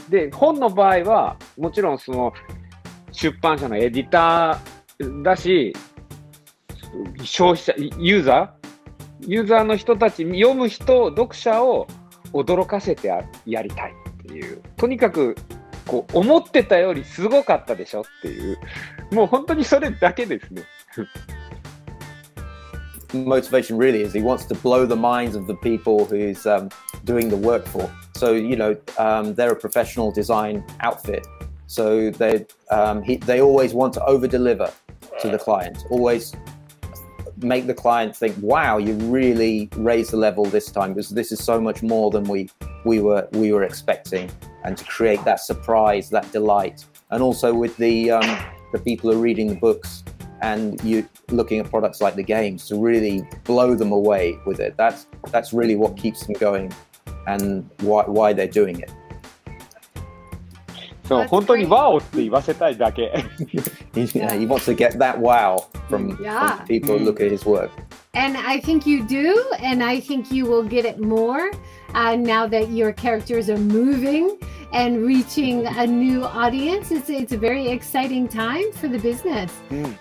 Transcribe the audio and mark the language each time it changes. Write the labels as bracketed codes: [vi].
[ja] で、本の場合はもちろんその出版社のエディターだし、消費者、ユーザーの人たち、読む人、読者を驚かせてやりたいっていう、とにかくこう思ってたよりすごかったでしょっていう、もう本当にそれだけですね。 [en] Motivation really is he wants to blow the minds of the people who's doing the work for. So, you know, they're a professional design outfit. So they always want to over-deliver to the client, always make the client think, wow, you really raised the level this time, because this is so much more than we were expecting, and to create that surprise, that delight. And also with the people who are reading the books,and you looking at products like the games to really blow them away with it. That's really what keeps them going and why they're doing it. [ja] So, 本当にワオって言わせたいだけ。 [en] He wants to get that wow from people who look at his work. And I think you do, and I think you will get it more now that your characters are moving and reaching a new audience. It's a very exciting time for the business. Mm.